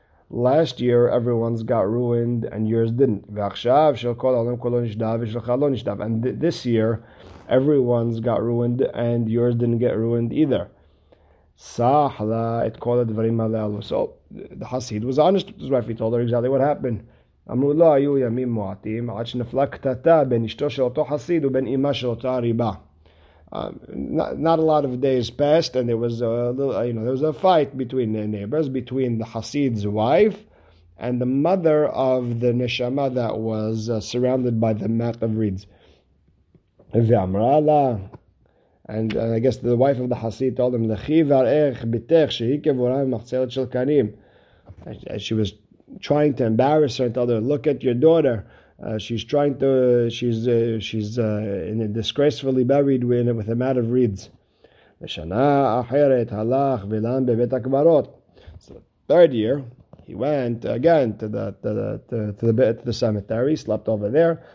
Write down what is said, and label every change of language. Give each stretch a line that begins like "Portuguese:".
English: Last year, everyone's got ruined and yours didn't.
Hebrew: V'achshav shel kol ha'olam kulo nishdav v'shelcha lo nishdav.
English: And this year, everyone's got ruined and yours didn't get ruined either.
Hebrew: Sahla et kol ha'dvarim ha'le'alu.
English: So the Hasid was honest with his wife. He told her exactly what happened.
Hebrew: אמרו לא היו ימים מועטים עד שנפלה קטטה בין אשתו של אותו חסיד ובין אמא של אותה ריבה.
English: Not a lot of days passed, and there was there was a fight between the neighbors, between the Hasid's wife and the mother of the neshama that was surrounded by the mat of reeds.
Hebrew: ואמרה לה,
English: and I guess the wife of the Hasid told him,
Hebrew: לכי ואראך ביתך שהיא קבורה במחצלת של קנים.
English: She was trying to embarrass her and tell her, look at your daughter. She's in a disgracefully buried with a mat of reeds. So the third year, he went again to the cemetery, slept over there.